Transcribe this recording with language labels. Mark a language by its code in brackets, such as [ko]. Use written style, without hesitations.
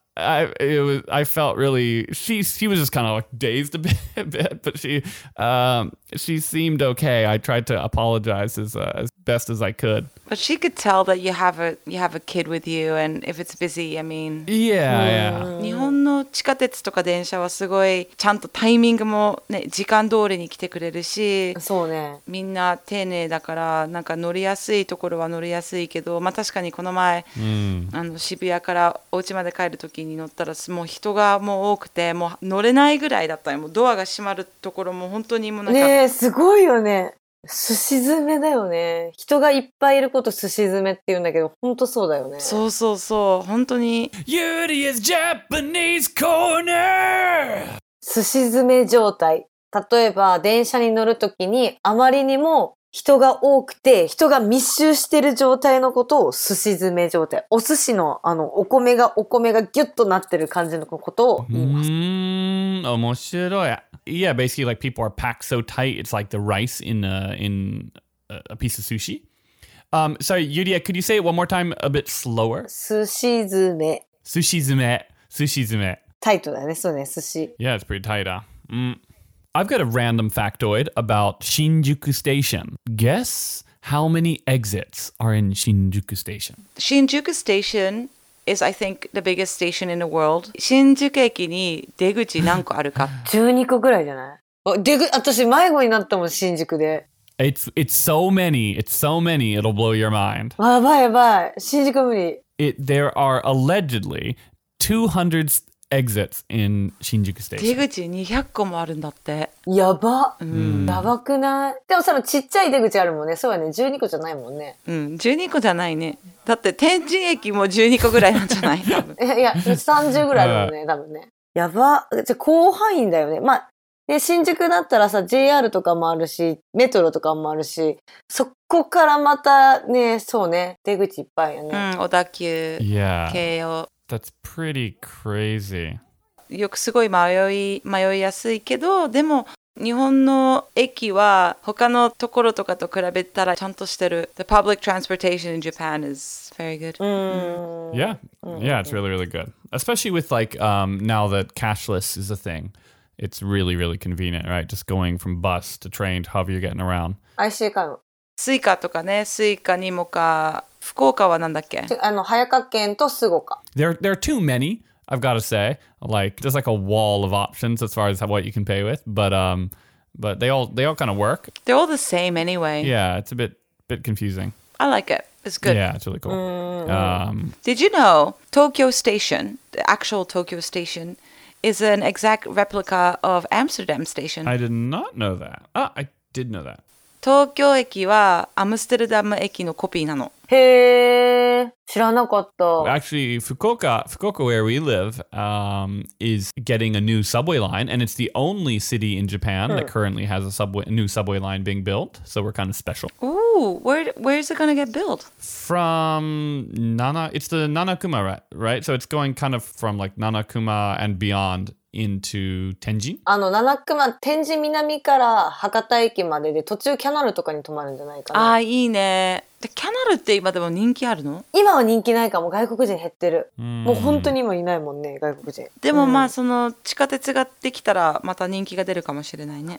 [en] I felt really, she was just kind of like dazed a bit, but she seemed okay. I tried to apologize as best as I could. But she could tell that you have a kid with you, and if it's busy, I mean. Yeah, yeah. [ja] 日本の地下鉄とか電車はすごいちゃんとタイミングもね、時間通りに来てくれるし。そうね。みんな丁寧だから、なんか乗りやすいところは乗りやすいけど、まあ確かにこの前、渋谷からお家まで帰るとき、に乗ったらもう人がもう多くてもう乗れないぐらいだったよ。もうドアが閉まるところも本当にもうなんかねえすごいよね。すし詰めだよね。人がいっぱいいることすし詰めって言うんだけど本当そうだよね。そうそうそう本当に。 [en] Yuri is Japanese corner。 [ja] すし詰め状態。例えば電車に乗るときにあまりにも人が多くて人が密集してる状態のことをすし詰め状態、お寿司のあのお米がギュッとなってる感じのことを言います。うーん、面白い。 [en] Yeah, basically like people are packed so tight it's like the rice in a piece of sushi. Sorry, Yuria, could you say it one more time a bit slower? [ja] すし詰め。タイトだね、そうね、寿司。 [en] Yeah, it's pretty tight, huh? I've got a random factoid about Shinjuku Station. Guess how many exits are in Shinjuku Station? Shinjuku Station is, I think, the biggest station in the world. [ja] Shinjuku 駅に出口何個あるか ?12個ぐらいじゃない? 私迷子になったもん、新宿で。 [en] It's so many, it'll blow your mind. [ja] やばいやばい、新宿無理。 [en] There are allegedly 200Exits in Shinjuku Station. [ja] 出口200個もあるんだって。やば。やばくない。でもそのちっちゃい出口あるもんね。そうやね。12個じゃないもんね。うん。12個じゃないね。だって天神駅も12個ぐらいなんじゃない? いや、30ぐらいだもんね。多分ね。やば。じゃ広範囲だよね。まあ、ね、新宿だったらさ、JR とかもあるし、メトロとかもあるし、そこからまたね、そうね、出口いっぱいよね。うん。小田急、 [en] yeah. [ja] 京葉。 [en] That's pretty crazy. [ja] よくすごい迷いやすいけど、でも日本の駅は他のところとかと比べたらちゃんとしてる。 [en] The public transportation in Japan is very good. Yeah, yeah, it's really, really good. Especially with like, now that cashless is a thing, it's really, really convenient, right? Just going from bus to train, however you're getting around. [ja] IC カード。スイカとかね、スイカにもか。福岡はなんだっけ? あの、早川県とスゴか。 [en] There are too many, I've got to say. Like, there's like a wall of options as far as what you can pay with. But they all kind of work. They're all the same anyway. Yeah, it's a bit confusing. I like it. It's good. Yeah, it's really cool. Did you know Tokyo Station, the actual Tokyo Station, is an exact replica of Amsterdam Station? I did not know that. Ah, I did know that. [ja] 東京駅はアムステルダム駅のコピーなの。へー、知らなかった。 [en] Actually, Fukuoka, where we live, is getting a new subway line, and it's the only city in Japan that currently has a new subway line being built, so we're kind of special. Ooh, where is it going to get built? From it's the Nanakuma, right? So it's going kind of from like Nanakuma and beyond. Into Tenjin? [ja] あの、七熊、天神南から博多駅までで途中キャナルとかに泊まるんじゃないかな。ああ、いいね。で、キャナルって今でも人気あるの? 今は人気ないかも。外国人減ってる。もう本当に今いないもんね、外国人。でもまあ、その地下鉄ができたらまた人気が出るかもしれないね。